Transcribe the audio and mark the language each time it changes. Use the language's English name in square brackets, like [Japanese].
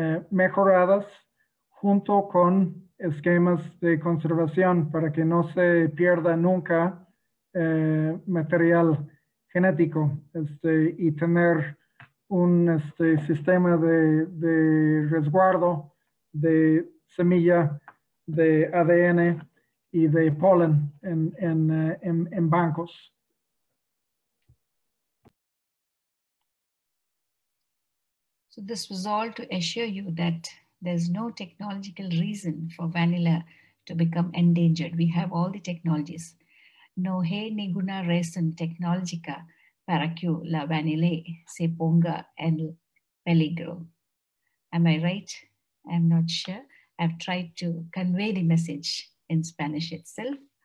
[Spanish] mejoradas junto con esquemas de conservación para que no se pierda nunca material genético y tener un sistema de resguardo de semilla de ADN y de polen en bancos. [English] So this was all to assure you that there's no technological reason for vanilla to become endangered. We have all the technologies. [Spanish] No hay ninguna razón tecnológica para que la vanilla se ponga en peligro. [English] Am I right? I'm not sure. I've tried to convey the message in Spanish itself.